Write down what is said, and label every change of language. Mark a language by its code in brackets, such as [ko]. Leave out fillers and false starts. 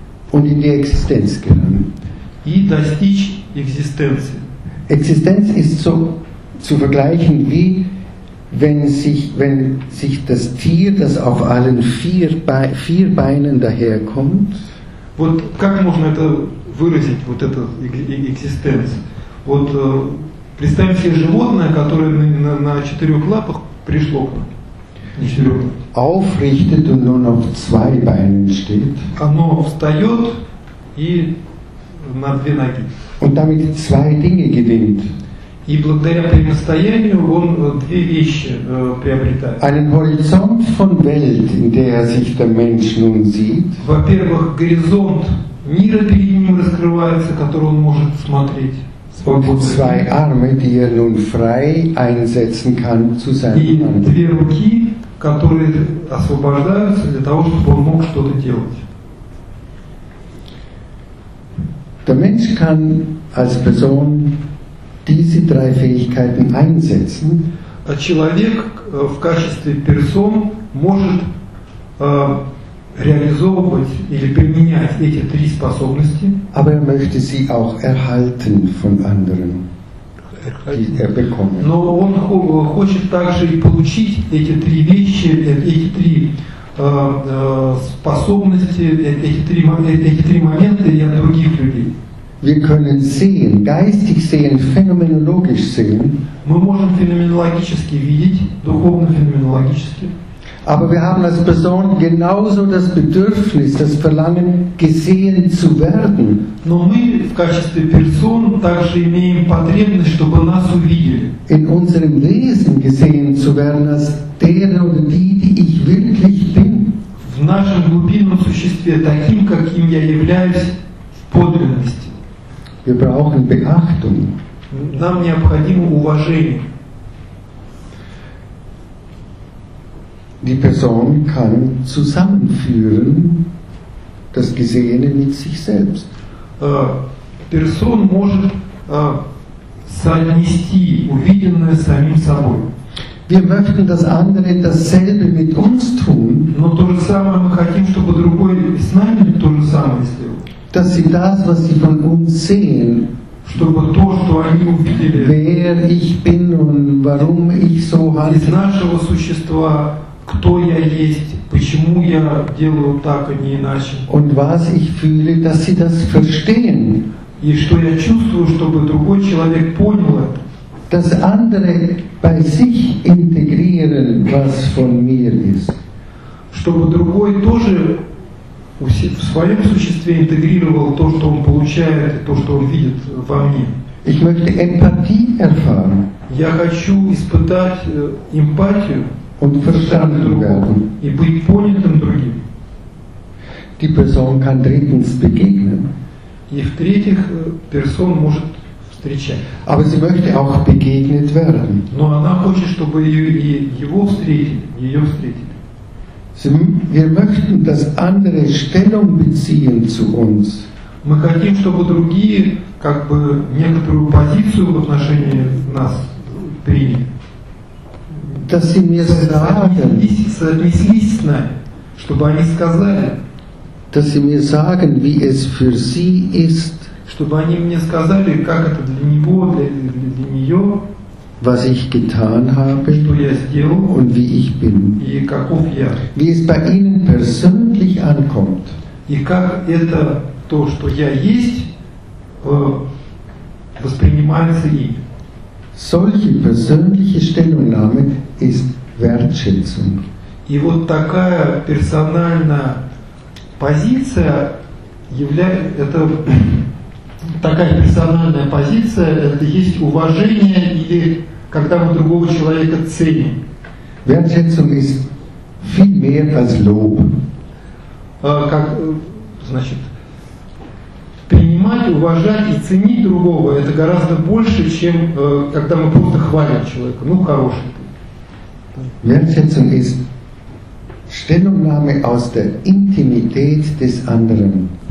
[de] Und in die Existenz gelangen. [ru] И достичь экзистенции. [de] Existenz ist so zu vergleichen wie wenn sich das Tier, das auf allen vier Beinen daherkommt. [ru] Вот как можно это выразить, вот эту экзистенцию? Вот Представим себе животное, которое на четырех лапах пришло к нам. [de] Aufrichtet und nun auf zwei Beinen steht. [ru] Оно встает и на две ноги. [de] Und damit zwei Dinge gewinnt. [ru] И благодаря этому состоянию он две вещи приобретает. [de] Einen Horizont von Welt, in der sich der Mensch nun sieht. [ru] Во-первых, горизонт мира перед ним раскрывается, который он может смотреть. [de] Und zwei Arme, die er nun frei einsetzen kann zu seinem Mann. [ru] И две руки, которые освобождаются для того, чтобы он мог что-то делать. [de] Der Mensch kann als Person diese drei Fähigkeiten einsetzen. [ru] А человек в качестве персон может реализовывать или применять эти три способности. [de] Aber er möchte sie auch erhalten von anderen, die er bekommt. [ru] Но он хочет также и получить эти три вещи, эти три способности, эти три момента и от других людей. [de] Wir können sehen, geistig sehen, phänomenologisch sehen. [ru] Мы можем феноменологически видеть, духовно феноменологически. [de] Aber wir haben als Person genauso das Bedürfnis, das Verlangen, gesehen zu werden. [ru] Но мы в качестве персон также имеем потребность, чтобы нас увидели. [de] In unserem Wesen gesehen zu werden als der oder die, die ich wirklich bin. [ru] В нашем глубинном существе таким, каким я являюсь, в подлинности. [de] Wir brauchen Beachtung. [ru] Нам необходимо уважение. [de] Die Person kann zusammenführen das Gesehene mit sich selbst. [ru] Person может соотнести увиденное с самим собой. [de] Wir möchten, dass andere dasselbe mit uns tun. [ru] Но то же самое мы хотим, чтобы другой с нами то же самое сделал. [de] Dass sie das, was sie von uns sehen, [ru] чтобы то, что они увидели, [de] wer ich bin und warum ich so handle, [ru] из нашего существа. Кто я есть, почему я делаю так, а не иначе. [de] Und was ich fühle, dass sie das verstehen. [ru] И что я чувствую, чтобы другой человек понял это. [de] Dass andere bei sich integrieren, was von mir ist. [ru] Чтобы другой тоже в своем существе интегрировал то, что он получает, то, что он видит во мне. [de] Ich möchte Empathie erfahren. [ru] Я хочу испытать эмпатию. [de] Und verstanden werden. [ru] И быть понятым другим. [de] Die Person kann drittens begegnen. [ru] И в-третьих, Person может встречать. [de] Aber sie möchte auch begegnet werden. [ru] Но она хочет, чтобы его встретили, ее встретили. [de] Wir möchten, dass andere Stellung beziehen zu uns. [ru] Мы хотим, чтобы другие, как бы, некоторую позицию в отношении нас приняли. [de] Dass sie mir sagen, [ru] чтобы они сказали, [de] dass sie mir sagen, wie es für sie ist, [ru] чтобы они мне сказали, как это для него, для нее, [de] was ich getan habe, [ru] что я сделал, [de] und wie ich bin, [ru] и каков я, [de] wie es bei ihnen persönlich ankommt, [ru] и как это то, что я есть, воспринимается ими. [de] Solche persönliche Stellungnahme ist Wertschätzung. [ru] И вот такая персональная позиция является это такая персональная позиция это есть уважение или когда мы другого человека ценим. [de] Wertschätzung ist viel mehr als Lob. [ru] Как значит принимать, уважать и ценить другого это гораздо больше, чем когда мы просто хвалим человека. Ну хороший. [de] Wertschätzung ist Stellungnahme aus der Intimität des anderen.